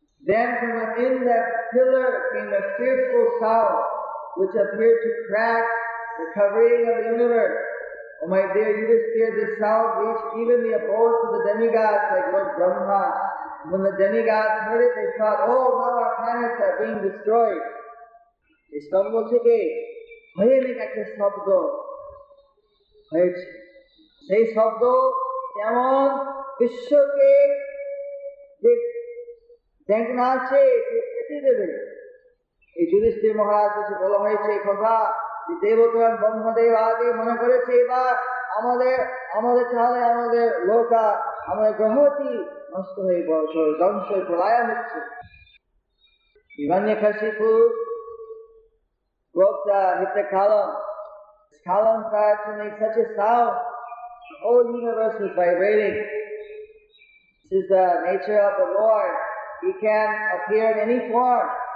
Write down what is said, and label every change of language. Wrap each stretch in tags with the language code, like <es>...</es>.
<en>Then from within that pillar came a fearful sound which appeared to crack the covering of the universe. Oh my dear Yudhisthira, this sound reached even the abode of the demigods like Lord Brahma. When the demigods heard it, they thought, oh, now our planets are being destroyed.</en> <bn>এই স্তম্ভ থেকে ভয়ানক একটা শব্দ হয়েছে। সেই শব্দ যেমন বিশ্বকে যে ডেকনা আছে কেটে দেবে। এই যুধিষ্ঠির মহারাজ কিছু বলা হয়েছে এই কথা যে দেবতা ব্রহ্মদেব আদি মনে করেছে এবার আমাদের চালে আমাদের লোকা আমাদের গ্রহটি নষ্ট হয়ে পড়ছে, ধ্বংস পলায়ন হচ্ছে।</bn> <en>Hiranyakashipu broke the hit the column. His column started to make such a sound. The whole universe was vibrating. This is the nature of the Lord. He can appear in any form.</en>